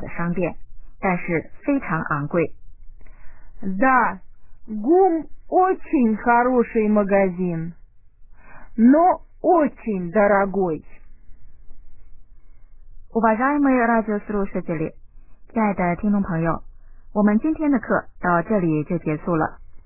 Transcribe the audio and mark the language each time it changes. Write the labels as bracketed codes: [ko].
[zh] 是的，国家百货商店是个非常好的商店，但是非常昂贵。 [ru] Да, ГУМ очень хороший магазин, но очень дорогой. Уважаемые радиослушатели, [zh] 亲爱的听众朋友, 我们今天的课到这里就结束了.